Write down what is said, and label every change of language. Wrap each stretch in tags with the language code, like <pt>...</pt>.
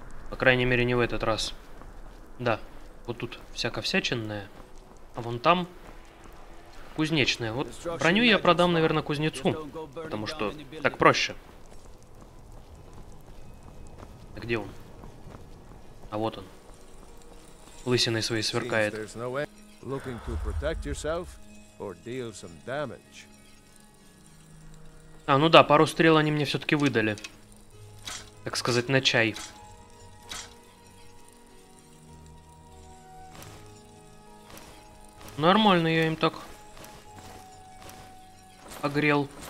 <ru>По крайней мере, не в этот раз. Да, вот тут всяко-всячинное. А вон там кузнечное. Вот броню я продам, наверное, кузнецу. Потому что так проще. Где он? А вот он. Лысиной своей сверкает.</ru> <en>Looking to protect yourself or deal some damage.</en> <ru>А, ну да, пару стрел они мне все-таки выдали. Так сказать, на чай. Нормально я им так огрел.</ru>